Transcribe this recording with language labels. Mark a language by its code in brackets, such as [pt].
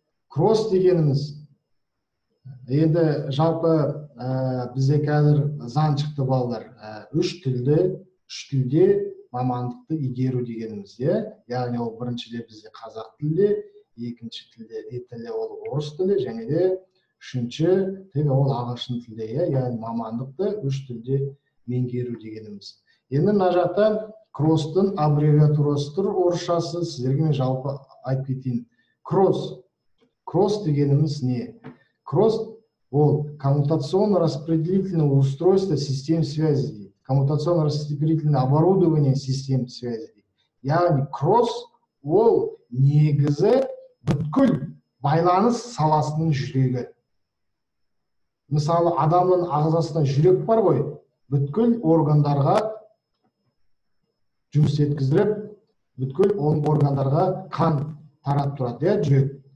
[kk] Кросс дегеніміз, енді жалпы бізде қазір заң шықты балдар, үш тілде мамандықты игеру дегеніміз, яғни ол бірінші де бізде қазақ тілде, екінші тілде ол орыс тілі, және де үшінші тілі ол ағылшын тілі, яғни мамандықты үш тілде меңгеру дегеніміз. Енді мына жақта кросстың аббревиатурасы тұр орысшасы, сіздерге мен жалпы айтып кетейін. Кросс. Кросс дегеніміз не? Кросс ол [ru] коммутационно-распределительное устройство систем связи [kk] дейді. [ru] Коммутационно-распределительное оборудование систем связи [kk] дейді. Яғни кросс ол негізі бүткіл байланыс саласының жүрегі. Мысалы, адамның ағзасында жүрек бар ғой, бүткіл органдарға жұмыс еткіздіріп, бүткіл оның органдарға қан тарап тұрады, иә, жүрек.